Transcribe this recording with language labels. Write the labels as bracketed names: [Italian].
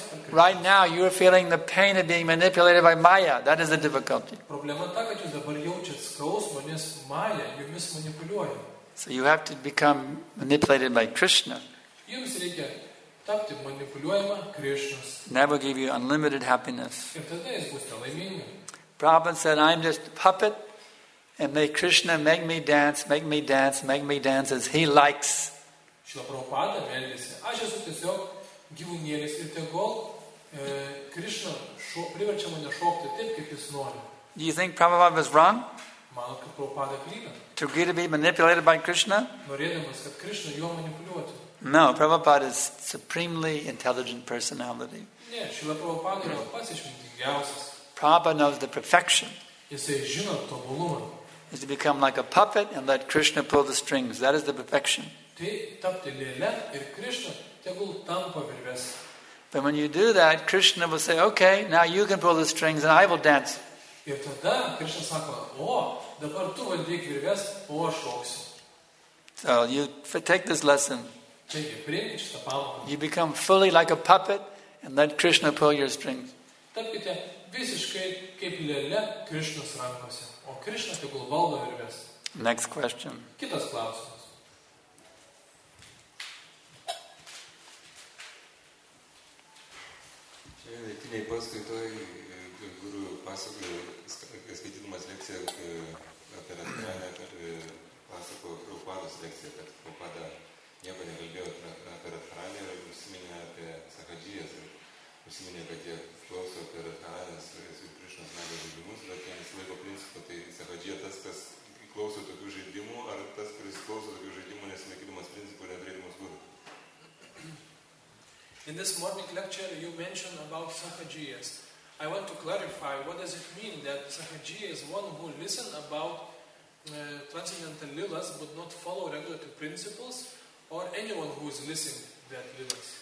[English] Right now you are feeling the pain of being manipulated by Maya. That is the difficulty. [Lithuanian] Problema ta, kad jūs dabar jaučiat skausmą, nes Maya jumis manipuliuoja. [English] So you have to become manipulated by Krishna. [Lithuanian] Jums reikia tapti manipuliuojama Krishnas. [English] Never give you unlimited happiness. [Lithuanian] Ir tada jūs būsite laimingi. [English] Prabhupada said, I'm just a puppet, and may Krishna make me dance as he likes. [Lithuanian] Šilo Prabhupada meldėsi, aš esu tiesiog gyvūnėlis ir tegol Krishna priverčia mane šokti taip, kaip jis nori. [English] Do you think Prabhupada was wrong? [Lithuanian] Manau, kad Prabhupada klydo. [English] To agree to be manipulated by Krishna? [Lithuanian] Norėdamas, kad Krishna jo manipuliuotų. [English] No, Prabhupada is supremely intelligent personality. [Lithuanian] Ne, šilo Prabhupada yra pats išmintingiausias. [English] Prabhupada knows the perfection. [Lithuanian] Jisai žino tobulumą. [English] Is to become like a puppet and let Krishna pull the strings. That is the perfection. [Lithuanian] Tai tapti lėle ir Krishna tegul tampa virves. [English] But when you do that, Krishna will say, okay, now you can pull the strings and I will dance. [Lithuanian] Ir tada Krishna sako, o, dabar tu valdyk virves, o aš šoksiu. [English] So you take this lesson. [Lithuanian] Taigi, priimkite šitą pamoką. [English] You become fully like a puppet and let Krishna pull your strings. [Lithuanian] Tapkite visiškai kaip lėle Krishnos rankose, o Krishna tegul valdo virves. [English] Next question. [Lithuanian] Kitas klausimas. Vietiniai paskaitoj guru pasakojo, skaitydamas lekciją apie Radharani, pasakojo Prabhupados lekciją, kad Prabhupada nieko nekalbėjo apie Radharani ir užsiminė apie Sahajijas ir užsiminė, kad jie klauso apie Radharani, nes jau Krišnas nėra žaidimus, bet jie nesilaiko principo, tai Sahajija tas, kas klauso tokių žaidimų, ar tas, kuris klauso tokių žaidimų, nesilaikydamas principo, neturėdamas guru. [English] In this morning lecture, you mentioned about Sahajiyas. I want to clarify, what does it mean that Sahajiyas is one who listens about transcendental lilas but not follow regulative principles, or anyone who is listening to that lilas?